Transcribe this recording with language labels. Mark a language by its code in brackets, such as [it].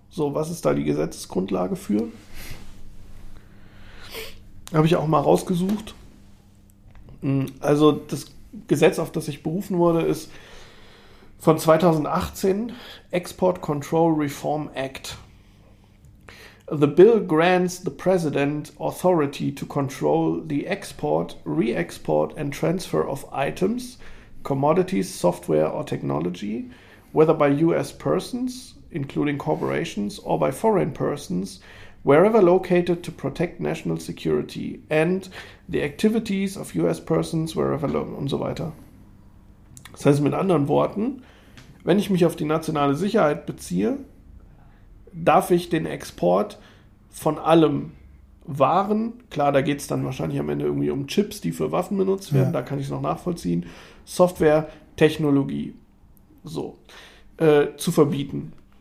[de] So, was ist da die Gesetzesgrundlage für? Habe ich auch mal rausgesucht. Also das Gesetz, auf das ich berufen wurde, ist von 2018, Export Control Reform Act. [en] The bill grants the president authority to control the export, re-export and transfer of items, commodities, software or technology, whether by US persons, including corporations, or by foreign persons, wherever located to protect national security and the activities of US persons wherever alone [de] und so weiter. Das heißt mit anderen Worten, wenn ich mich auf die nationale Sicherheit beziehe, darf ich den Export von allem Waren, klar, da geht es dann wahrscheinlich am Ende irgendwie um Chips, die für Waffen benutzt werden, ja. Da kann ich es noch nachvollziehen, Software, Technologie, so, zu verbieten.